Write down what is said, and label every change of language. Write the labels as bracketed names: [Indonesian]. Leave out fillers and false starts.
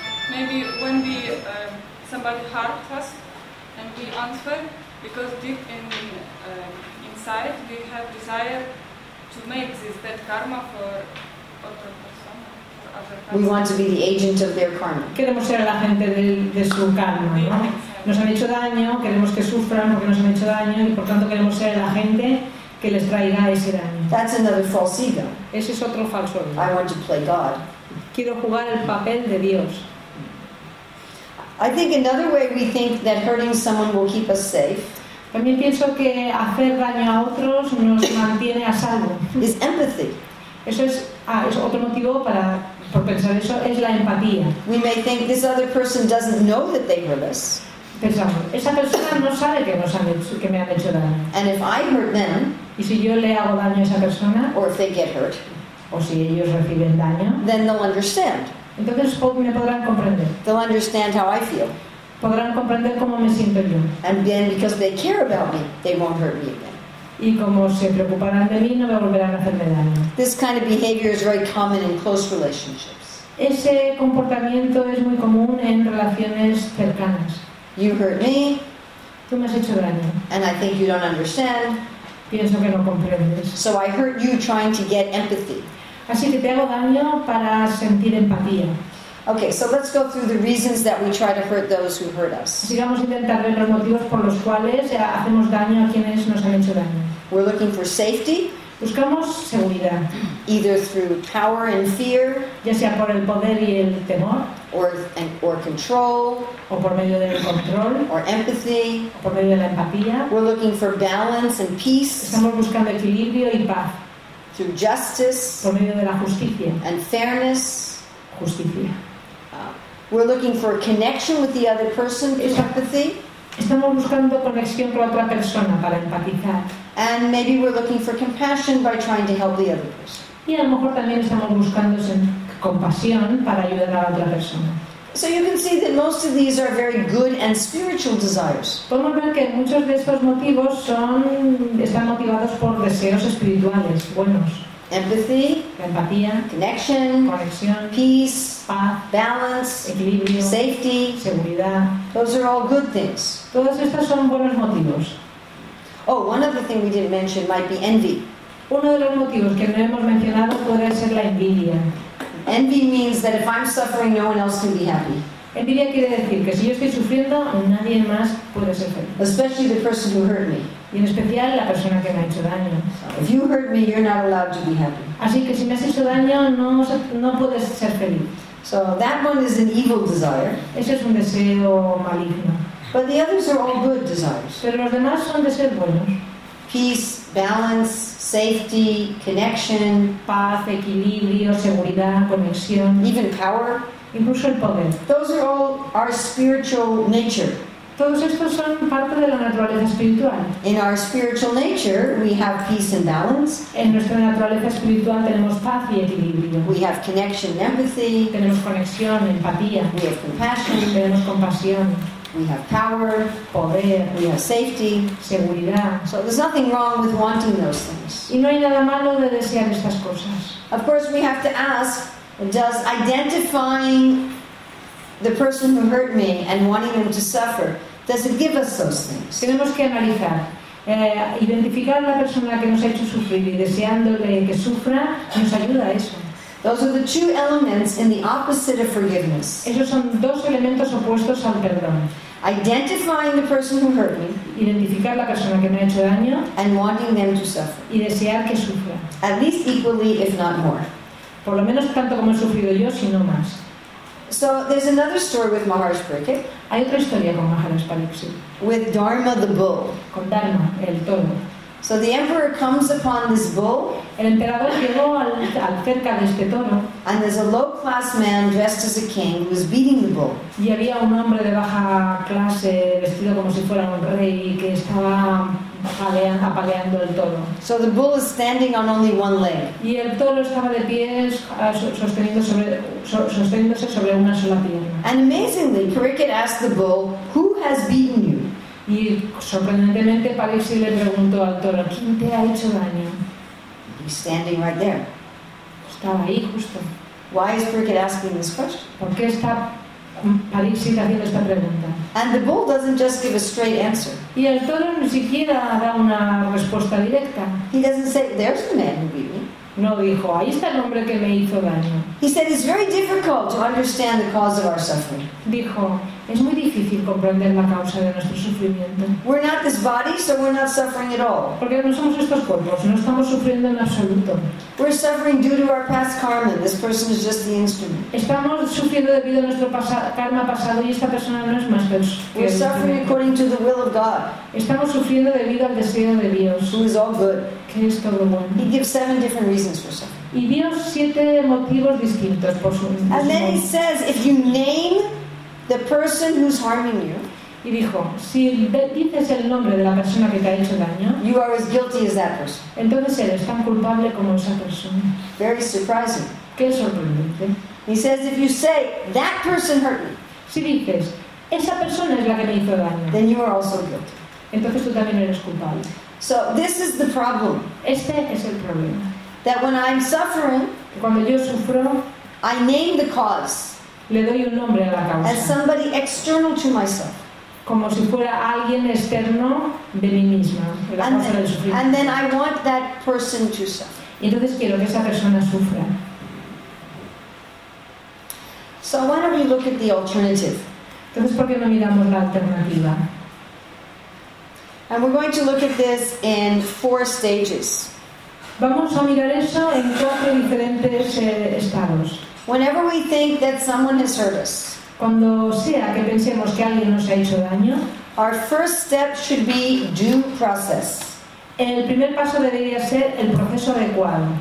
[English] Maybe when we somebody hurts us and we answer, because deep in inside we have desire to make this bad karma for other person. We want to be the agent of their karma. [Spanish] Queremos ser la gente de su karma, ¿no? Nos han hecho daño, queremos que sufran porque nos han hecho daño y por tanto queremos ser la gente que les traiga ese daño. [English] That's another false ego. [Spanish] Ese es otro falso ego. [English] I want to play God. [Spanish] Quiero jugar el papel de Dios. [English] I think another way we think that hurting someone will keep us safe. [Spanish] También pienso que hacer daño a otros nos mantiene a salvo. [English] Is empathy. [Spanish] Eso es, es otro motivo para por pensar eso, es la empatía. [English] We may think this other person doesn't know that they hurt us. [Spanish] Pensamos, esa persona no sabe que nos han hecho, que me han hecho daño. [English] And if I hurt them, [Spanish] y si yo le hago daño a esa persona, [English] or if they get hurt, [Spanish] o si ellos reciben daño, [English] then they'll understand. [Spanish] Entonces me podrán comprender. [English] They'll understand how I feel. [Spanish] Podrán comprender cómo me siento yo. [English] And then because they care about me, they won't hurt me again. [Spanish] Y como se preocuparán de mí, no me volverán a hacerme daño. [English] This kind of behavior is very common in close relationships. [Spanish] Ese comportamiento es muy común en relaciones cercanas. [English] You hurt me. [Spanish] Tú me has hecho daño. [English] And I think you don't understand. [Spanish] Pienso que no comprendes. [English] So I hurt you trying to get empathy. [Spanish] Así que te hago daño para sentir empatía. [English] Okay, so let's go through the reasons that we try to hurt those who hurt us. [Spanish] Sigamos intentando ver los motivos por los cuales hacemos daño a quienes nos han hecho daño. [English] We're looking for safety. [Spanish] Buscamos seguridad. [English] Either through power and fear. [Spanish] Ya sea por el poder y el temor. [English] Or control. [Spanish] O por medio del control. [English] Or empathy. [Spanish] O por medio de la empatía. [English] We're looking for balance and peace. [Spanish] Estamos buscando equilibrio y paz. [English] Through justice. [Spanish] Por medio de la justicia. [English] And fairness. [Spanish] Justicia. [English] We're looking for a connection with the other person through empathy. [Spanish] Estamos buscando conexión con otra persona para empatizar. [English] And maybe we're looking for compassion by trying to help the other person. [Spanish] Y a lo mejor también estamos buscando compasión para ayudar a la otra persona. [English] So you can see that most of these are very good and spiritual desires. [Spanish] Podemos ver que muchos de estos motivos están motivados por deseos espirituales buenos. [English] Empathy, [Spanish] empatía, [English] connection, [Spanish] conexión, [English] peace, [Spanish] paz, [English] balance, [Spanish] equilibrio, [English] safety, [Spanish] seguridad. [English] Those are all good things. [Spanish] Todos estos son buenos motivos. [English] Oh, one other thing we didn't mention might be envy. [Spanish] Uno de los motivos que no hemos mencionado puede ser la envidia. [English] Envy means that if I'm suffering, no one else can be happy. [Spanish] Envidia quiere decir que si yo estoy sufriendo, nadie más puede ser feliz. [English] Especially the person who hurt me. [Spanish] Y en especial la persona que me ha hecho daño. [English] If you hurt me, you're not allowed to be happy. [Spanish] Así que si me has hecho daño, no puedes ser feliz. [English] So that one is an evil desire. [Spanish] Ese es un deseo maligno. [English] But the others are all good desires. [Spanish] Pero los demás son deseos buenos. [English] Peace, balance, safety, connection. [Spanish] Paz, equilibrio, seguridad, conexión. [English] Even power. [Spanish] Incluso el poder. [English] Those are all our spiritual nature. [Spanish] Todos estos son parte de la naturaleza espiritual. [English] In our spiritual nature, we have peace and balance. [Spanish] En nuestra naturaleza espiritual tenemos paz y equilibrio. [English] We have connection and empathy. [Spanish] Tenemos conexión, empatía. [English] We have compassion. [Spanish] Tenemos compasión. [English] We have power. [Spanish] Poder. [English] We have safety. [Spanish] Seguridad. [English] So there's nothing wrong with wanting those things. [Spanish] Y no hay nada malo de desear estas cosas. [English] Of course, we have to ask, does identifying the person who hurt me and wanting them to suffer, does it give us those things? [Spanish] Tenemos que analizar, identificar a la persona que nos ha hecho sufrir y deseándole que sufra, nos ayuda a eso. [English] Those are the two elements in the opposite of forgiveness. [Spanish] Esos son dos elementos opuestos al perdón. [English] Identifying the person who hurt me, [Spanish] identificar la persona que me ha hecho daño, [English] and wanting them to suffer, [Spanish] y desear que sufra. [English] At least equally, if not more. [Spanish] Por lo menos tanto como he sufrido yo, si no más. [English] So there's another story with Maharaj Pariksit. [Spanish] Hay otra historia con Maharaj Pariksit. [English] With Dharma the bull. [Spanish] Con Dharma el toro. [English] So the emperor comes upon this bull. [Spanish] El emperador llegó al cerca de este toro. [English] And there's a low-class man dressed as a king who is beating the bull. [Spanish] Y había un hombre de baja clase vestido como si fuera un rey que estaba apaleando el toro. [English] So the bull is standing on only one leg. [Spanish] Y el toro estaba de pie sosteniéndose sobre una sola pierna. [English] And amazingly, Pariksit asked the bull, "Who has beaten you?" [Spanish] Y sorprendentemente Pariksit le preguntó al toro, ¿quién te ha hecho daño? [English] He's standing right there. [Spanish] Estaba ahí justo. [English] Why is Pariksit asking this question? [Spanish] ¿Por qué está Pariksit haciendo esta pregunta? [English] And the bull doesn't just give a straight answer. [Spanish] Y el toro ni siquiera da una respuesta directa. [English] He doesn't say, there's the man who beat me. [Spanish] No dijo, ahí está el hombre que me hizo daño. [English] He said it's very difficult to understand the cause of our suffering. [Spanish] Dijo, es muy difícil comprender la causa de nuestro sufrimiento. [English] We're not this body, so we're not suffering at all. [Spanish] Porque no somos estos cuerpos, no estamos sufriendo en absoluto. [English] We're suffering due to our past karma. This person is just the instrument. [Spanish] Estamos sufriendo debido a nuestro karma pasado y esta persona no es más que el instrumento. [English] We're suffering according to the will of God. [Spanish] Estamos sufriendo debido al deseo de Dios. [English] Who is all good. [Spanish] Que es todo bueno. [English] He gives seven different reasons for suffering. [Spanish] Y Dios siete motivos distintos por su sufrimiento. [English] And then he says, if you name the person who's harming you, [Spanish] y dijo, si dices el nombre de la persona que te ha hecho daño, [English] you are as guilty as that person. [Spanish] Entonces eres tan culpable como esa persona. [English] Very surprising. [Spanish] Qué sorprendente. [English] He says, if you say that person hurt me, [Spanish] si dices esa persona es la que me hizo daño, [English] then you are also guilty. [Spanish] Entonces tú también eres culpable. [English] So this is the problem. [Spanish] Este es el problema. [English] That when I'm suffering, [Spanish] cuando yo sufro, [English] I name the cause. [Spanish] Le doy un nombre a la causa. [English] As somebody external to myself. [Spanish] Como si fuera alguien externo de mí misma, la causa del sufrimiento. [English] And then I want that person to suffer. [Spanish] Y entonces quiero que esa persona sufra. [English] So why don't we look at the alternative? [Spanish] Entonces, ¿por qué no miramos la alternativa? [English] And we're going to look at this in four stages. [Spanish] Vamos a mirar eso en cuatro diferentes estados. [English] Whenever we think that someone has hurt us, [Spanish] cuando sea que pensemos que alguien nos ha hecho daño, [English] our first step should be due process. [Spanish] El primer paso debería ser el proceso adecuado.